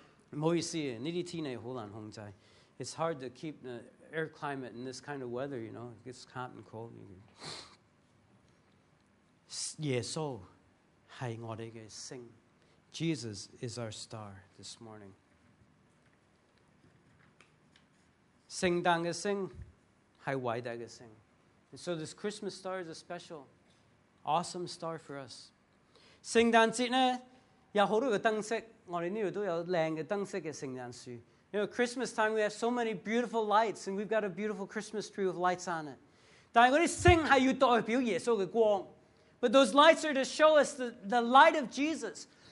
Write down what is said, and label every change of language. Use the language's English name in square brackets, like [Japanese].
[Chinese] 不好意思, 这些天气很难控制. [English] It's hard to keep the air climate in this kind of weather, you know. It gets hot and cold. [Chinese] 耶稣是我们的星. [English] Jesus is our star this morning. [Chinese] 圣诞的星是伟大的星. [English] And so this Christmas star is a special, awesome star for us. [Chinese] 圣诞节呢有好多的灯饰，我们这里都有靓的灯饰的圣诞树. [English] You know, Christmas time, we have so many beautiful lights, and we've got a beautiful Christmas tree with lights on it. [Chinese] 但是我们的星是要代表耶稣的光. [English] But those lights are to show us the light of Jesus.